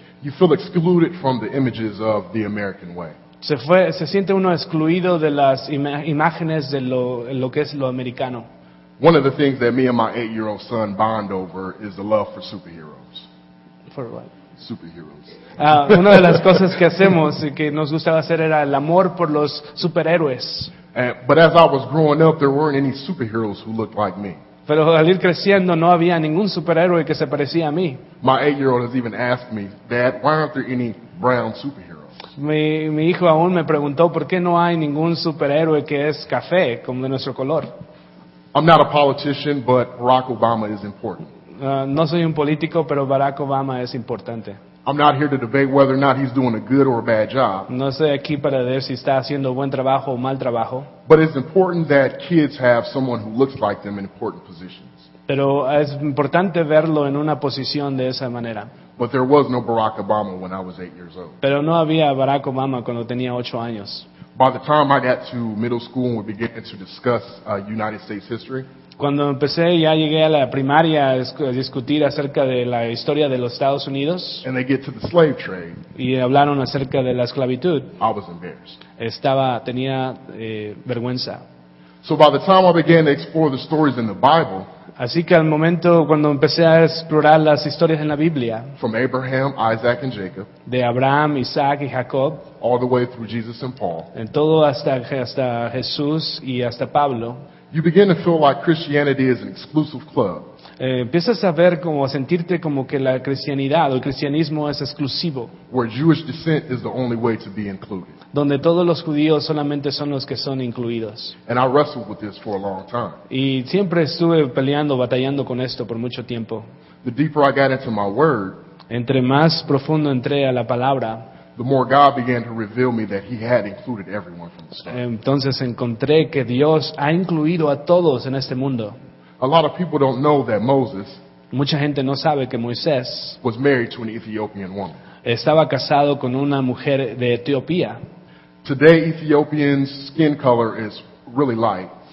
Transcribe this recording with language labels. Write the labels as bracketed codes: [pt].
[en] You feel excluded from the images of the American way. [es] Se siente uno excluido de las imágenes de lo que es lo americano. [en] One of the things that me and my 8-year-old son bond over is the love for superheroes. For what? Superheroes. [es] Una de las cosas que hacemos y que nos gustaba hacer era el amor por los superhéroes. [en] But as I was growing up, there weren't any superheroes who looked like me. [es] Pero al ir creciendo, no había ningún superhéroe que se parecía a mí. [en] My 8-year-old has even asked me, Dad, why aren't there any brown superheroes? [es] Mi hijo aún me preguntó, ¿por qué no hay ningún superhéroe que es café, como de nuestro color? [en] I'm not a politician, but Barack Obama is important. [es] No soy un político, pero Barack Obama es importante. [en] I'm not here to debate whether or not he's doing a good or a bad job. [es] No estoy aquí para ver si está haciendo buen trabajo o mal trabajo. [en] But it's important that kids have someone who looks like them in important positions. [es] Pero es importante verlo en una posición de esa manera. [en] But there was no Barack Obama when I was 8 years old. [es] Pero no había Barack Obama cuando tenía 8 años. [en] By the time I got to middle school and we began to discuss United States history, [es] cuando empecé ya llegué a la primaria a discutir acerca de la historia de los Estados Unidos, [en] and they get to the slave trade, [es] y hablaron acerca de la esclavitud, [en] I was embarrassed. [es] Tenía vergüenza. [en] So by the time I began to explore the stories in the Bible, [es] así que al momento cuando empecé a explorar las historias en la Biblia, [en] from Abraham, Isaac, and Jacob, [es] de Abraham, Isaac y Jacob, [en] all the way through Jesus and Paul, [es] en todo hasta Jesús y hasta Pablo, [en] you begin to feel like Christianity is an exclusive club. [es] Empiezas a ver como a sentirte como que la cristianidad o el cristianismo es exclusivo. [en] Where Jewish descent is the only way to be included. [es] Donde todos los judíos solamente son los que son incluidos. [en] And I wrestled with this for a long time. [es] Y siempre estuve peleando, batallando con esto por mucho tiempo. [en] The deeper I got into my word, [es] entre más profundo entré a la palabra, [en] the more God began to reveal me that He had included everyone from the start. [es] Entonces encontré que Dios ha incluido a todos en este mundo. [en] A lot of people don't know that Moses, [es] mucha gente no sabe que Moisés, [en] was married to an Ethiopian woman. [es] Estaba casado con una mujer de Etiopía. [en] Today, Ethiopians' skin color is really light.